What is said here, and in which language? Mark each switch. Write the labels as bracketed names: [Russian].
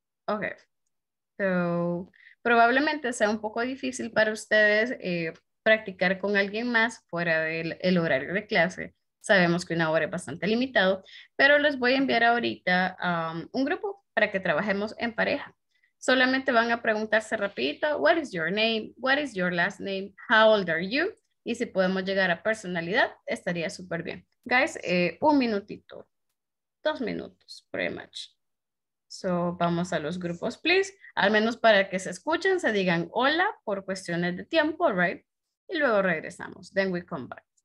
[Spanish] Ok, so, probablemente sea un poco difícil para ustedes practicar con alguien más fuera del horario de clase. Sabemos que una hora es bastante limitado, pero les voy a enviar ahorita un grupo para que trabajemos en pareja. Solamente van a preguntarse rapidito, [English] what is your name, what is your last name, how old are you? [Spanish] Y si podemos llegar a personalidad, estaría súper bien. Guys, un minutito, [English] 2 minutes, pretty much. [Spanish] So, vamos a los grupos, please. Al menos para que se escuchen, se digan hola por cuestiones de tiempo, right? Y luego regresamos. [English] Then we come back.